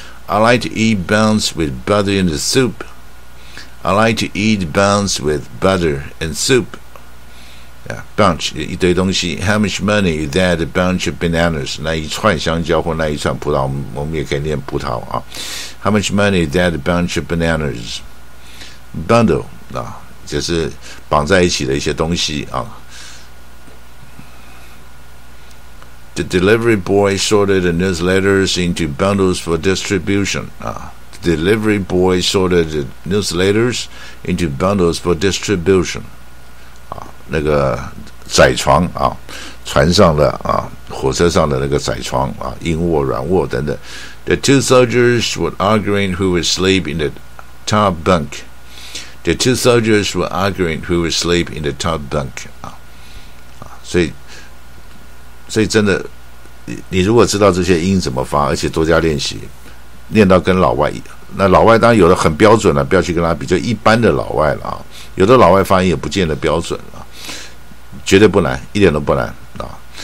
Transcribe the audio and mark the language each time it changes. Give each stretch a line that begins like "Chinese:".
English: I like to eat buns with butter in the soup. I like to eat buns with butter and soup. Yeah, bunch
Chinese: 一堆东西。
English: How much money is that bunch of bananas?
Chinese: 那一串香蕉或那一串葡萄，我们也可以念葡萄啊。
English: How much money is that bunch of bananas?
Chinese: Bundle 啊，就是绑在一起的一些东西啊。
English: The delivery boy sorted the newsletters into bundles for distribution. The delivery boy sorted the newsletters into bundles for distribution.
Chinese: 那个窄床啊，船上的啊，火车上的那个窄床啊，硬卧、软卧等等。
English: The two soldiers were arguing who would sleep in the top bunk. The two soldiers were arguing who would sleep in the top bunk.
Chinese: 所以真的，你如果知道这些音怎么发，而且多加练习，念到跟老外，那老外当然有的很标准了，不要去跟他比，就一般的老外了啊。有的老外发音也不见得标准啊，绝对不难，一点都不难啊。